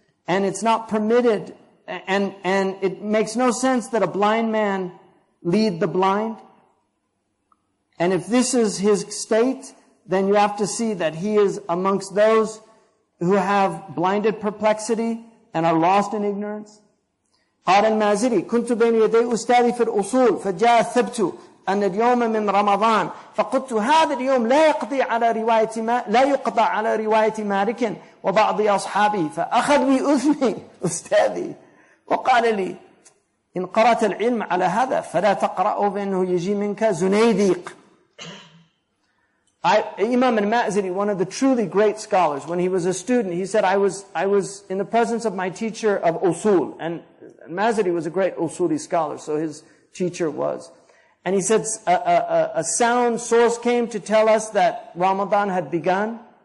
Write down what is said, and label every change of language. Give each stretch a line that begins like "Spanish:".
English: And it's not permitted. And it makes no sense that a blind man lead the blind. And if this is his state, then you have to see that he is amongst those who have blinded perplexity and are lost in ignorance.
Arabic: قال المازري كنت بين يدي أستاذي في الأصول فجاء الثبت أن اليوم من رمضان فقلت هذا اليوم لا يقضي على رواية ما لا يقضى على رواية مالك وبعض أصحابي فأخذ بي أذني أستاذي وقال لي إن قرأت العلم على هذا فلا تقرأه فإنه يجي منك زنيديق.
English: Imam al-Ma'zidi, one of the truly great scholars, when he was a student, he said, I was in the presence of my teacher of usul. And Ma'zidi was a great usuli scholar, so his teacher was. And he said, a sound source came to tell us that Ramadan had begun.